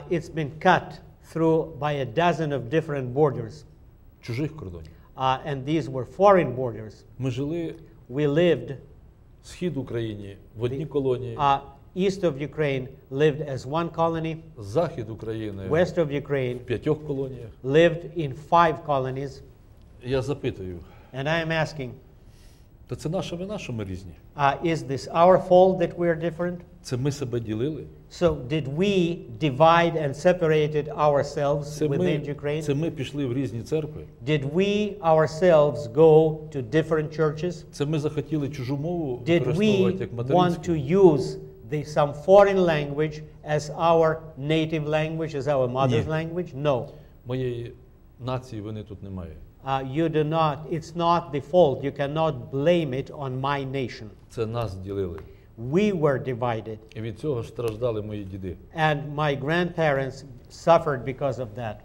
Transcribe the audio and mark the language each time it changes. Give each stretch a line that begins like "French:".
English: It's been cut through by a dozen of different borders.
Ukrainian: Чужих кордонів.
English: And these were foreign borders.
Ukrainian: Ми жили
English: We lived
Ukrainian: схід України в одній колонії.
English: East of Ukraine lived as one colony.
Ukrainian: Захід України
English: West of Ukraine
Ukrainian: в п'ятьох колоніях.
English: Lived in five colonies.
Ukrainian: Я запитую.
English: And I am asking.
Ukrainian: То це наша вина, що ми різні?
English: Is this our fault that we are different?
Ukrainian: Це ми себе ділили?
English: So did we divide and separated ourselves within Ukraine?
Ukrainian: Це ми пішли в різні церкви?
English: Did we ourselves go to different churches?
Ukrainian: Це ми захотіли чужу мову використовувати як материнську?
English: Did we want to use some foreign language as our native language, as our mother's language? No.
Ukrainian: Моєї нації вини тут немає.
English: It's not the fault. You cannot blame it on my nation.
Ukrainian: Це нас ділили.
English: We were divided.
Ukrainian: І від цього страждали мої діди.
English: And my grandparents suffered because of that.